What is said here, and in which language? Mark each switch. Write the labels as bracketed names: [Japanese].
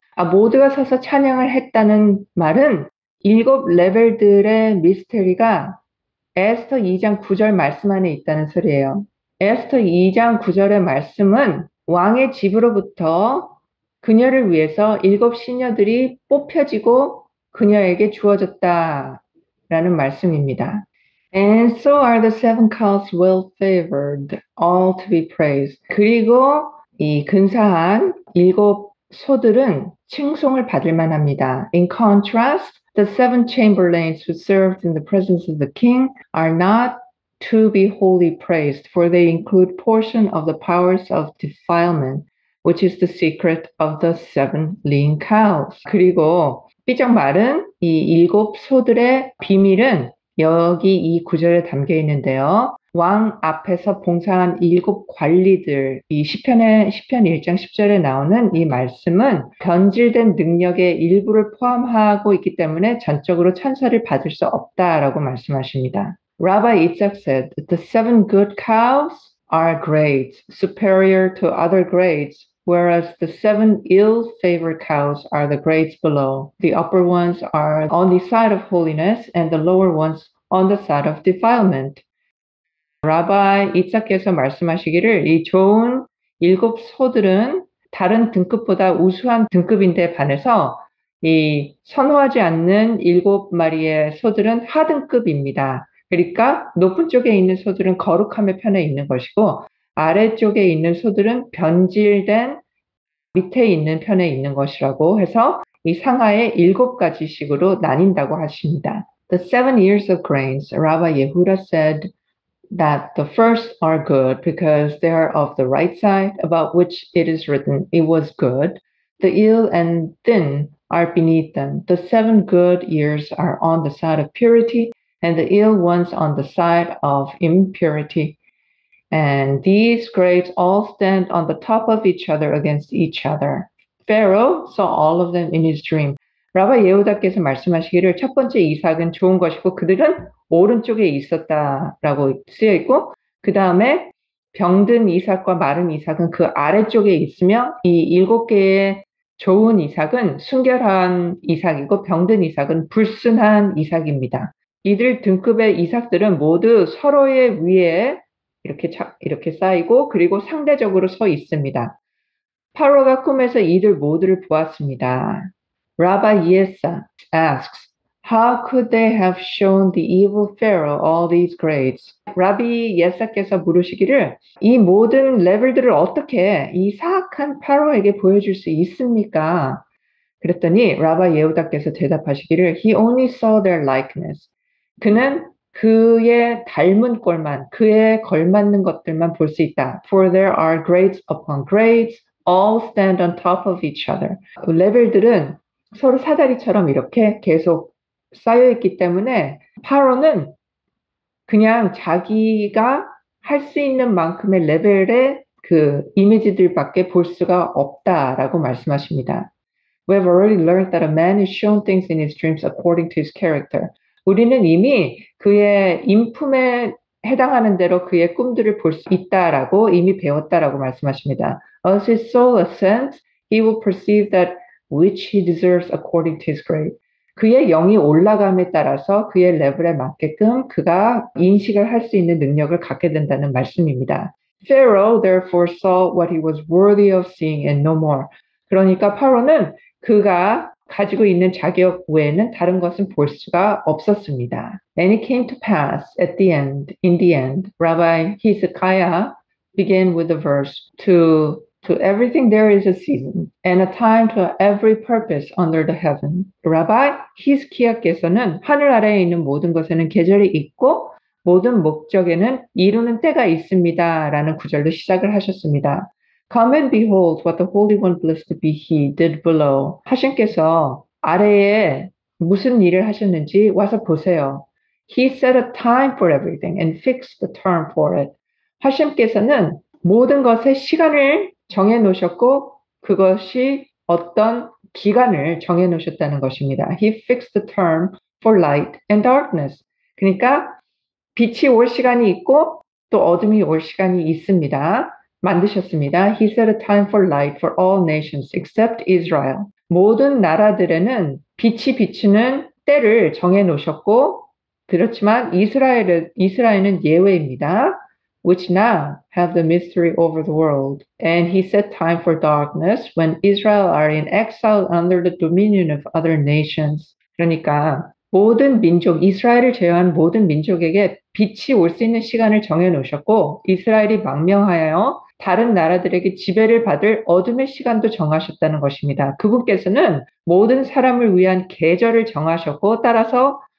[Korean] 모두가 서서 찬양을 했다는 말은 7 레벨들의 미스터리가 에스터 2장 9절 말씀 안에 있다는 소리예요. 에스터 2장 9절의 말씀은 왕의 집으로부터 그녀를 위해서 7 시녀들이 뽑혀지고 그녀에게 주어졌다라는 말씀입니다. [English] And so are the 7 cows well favored, all to be praised. [Korean] 그리고 이 근사한 7 소들은 칭송을 받을 만합니다. [English] In contrast, The 7 chamberlains who served in the presence of the king are not to be wholly praised, for they include portion of the powers of defilement, which is the secret of the seven lean cows. [Korean] 그리고 삐쩍 마른 이 일곱 소들의 비밀은 여기 이 구절에 담겨 있는데요. 왕 앞에서 봉사한 일곱 관리들, 이 시편 1장 10절에 나오는 이 말씀은 변질된 능력의 일부를 포함하고 있기 때문에 전적으로 천사를 받을 수 없다라고 말씀하십니다. [English] Rabbi Itzhak said, the seven good cows are grades superior to other grades, whereas the seven ill-favored cows are the grades below. The upper ones are on the side of holiness and the lower ones on the side of defilement. [Korean] 라바이 이삭께서 말씀하시기를 이 좋은 일곱 소들은 다른 등급보다 우수한 등급인데 반해서 이 선호하지 않는 일곱 마리의 소들은 하등급입니다. 그러니까 높은 쪽에 있는 소들은 거룩함의 편에 있는 것이고 아래쪽에 있는 소들은 변질된 밑에 있는 편에 있는 것이라고 해서 이 상하의 일곱 가지식으로 나뉜다고 하십니다. [English] The seven ears of grains, Rabbi Yehuda said, that the first are good because they are of the right side about which it is written, it was good. The ill and thin are beneath them. The seven good ears are on the side of purity and the ill ones on the side of impurity. And these grapes all stand on the top of each other against each other. Pharaoh saw all of them in his dream. [Korean] 라바 예후다께서 말씀하시기를 첫 번째 이삭은 좋은 것이고 그들은 오른쪽에 있었다라고 쓰여 있고 그 다음에 병든 이삭과 마른 이삭은 그 아래쪽에 있으며 이 일곱 개의 좋은 이삭은 순결한 이삭이고 병든 이삭은 불순한 이삭입니다. 이들 등급의 이삭들은 모두 서로의 위에 이렇게 쌓이고 그리고 상대적으로 서 있습니다. 파로가 꿈에서 이들 모두를 보았습니다. [English] Rabbi Yehuda asks, how could they have shown the evil Pharaoh all these grades? [Korean] Rabbi Yehuda께서 물으시기를 이 모든 레벨들을 어떻게 이 사악한 파로에게 보여줄 수 있습니까? 그랬더니 Rabbi Yehuda께서 대답하시기를 [English] he only saw their likeness. [Korean] 그는 그의 닮은 꼴만, 그의 걸맞는 것들만 볼 수 있다. [English] For there are grades upon grades, all stand on top of each other. [Korean] 레벨들은 서로 사다리처럼 이렇게 계속 쌓여 있기 때문에 파로는 그냥 자기가 할 수 있는 만큼의 레벨의 그 이미지들밖에 볼 수가 없다라고 말씀하십니다. [English] We have already learned that a man is shown things in his dreams according to his character. [Korean] 우리는 이미 그의 인품에 해당하는 대로 그의 꿈들을 볼 수 있다라고 이미 배웠다라고 말씀하십니다. [English] As his soul ascends, he will perceive that which he deserves according to his grade. [Korean] 그의 영이 올라감에 따라서 그의 레벨에 맞게끔 그가 인식을 할 수 있는 능력을 갖게 된다는 말씀입니다. [English] Pharaoh therefore saw what he was worthy of seeing and no more. [Korean] 그러니까 파로는 그가 가지고 있는 자격 외에는 다른 것은 볼 수가 없었습니다. [English] And it came to pass at the end, in the end, Rabbi Hezekiah began with the verse To everything there is a season, and a time to every purpose under the heaven. [Korean] Rabbi Hezekiah께서는 하늘 아래에 있는 모든 것에는 계절이 있고 모든 목적에는 이루는 때가 있습니다. 라는 구절로 시작을 하셨습니다. [English] Come and behold what the Holy One blessed be He did below. [Korean] 하신께서 아래에 무슨 일을 하셨는지 와서 보세요. [English] He set a time for everything and fixed the term for it. [Korean] 하신께서는 모든 것에 시간을 정해 놓으셨고 그것이 어떤 기간을 정해 놓으셨다는 것입니다. [English] He fixed the term for light and darkness. [Korean] 그러니까 빛이 올 시간이 있고 또 어둠이 올 시간이 있습니다. 만드셨습니다. [English] He set a time for light for all nations except Israel. [Korean] 모든 나라들에는 빛이 비추는 때를 정해 놓으셨고 그렇지만 이스라엘은 예외입니다. [English] Which now have the mystery over the world. And he set time for darkness when Israel are in exile under the dominion of other nations. [Korean] 그러니까 모든 민족, 이스라엘을 제외한 모든 민족에게 빛이 올 수 있는 시간을 정해놓으셨고 이스라엘이 망명하여 다른 나라들에게 지배를 받을 어둠의 시간도 정하셨다는 것입니다. 그분께서는 모든 사람을 위한 계절을 정하셨고 따라서